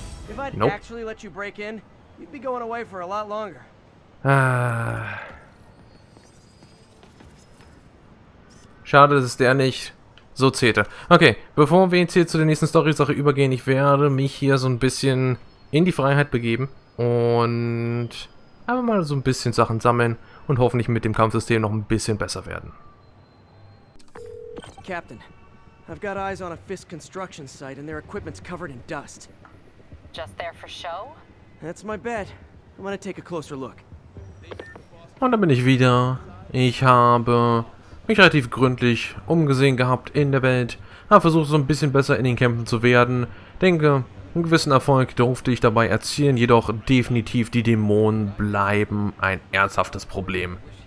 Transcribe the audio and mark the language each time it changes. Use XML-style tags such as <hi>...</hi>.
<en>If I'd actually let you break in, you'd be going away for a lot longer.</en> <de>Schade, dass es der nicht so zählte. Okay, bevor wir jetzt hier zu der nächsten Story-Sache übergehen, ich werde mich hier so ein bisschen in die Freiheit begeben und einfach mal so ein bisschen Sachen sammeln und hoffentlich mit dem Kampfsystem noch ein bisschen besser werden.</de> <en>Captain, I've got eyes on a Fisk construction site and their equipment's covered in dust. Just there for show? That's my bet. I'm gonna take a closer look.</en> <de>Und dann bin ich wieder. Ich habe mich relativ gründlich umgesehen gehabt in der Welt, habe versucht, so ein bisschen besser in den Kämpfen zu werden. Denke, einen gewissen Erfolg durfte ich dabei erzielen, jedoch definitiv die Dämonen bleiben ein ernsthaftes Problem.</de>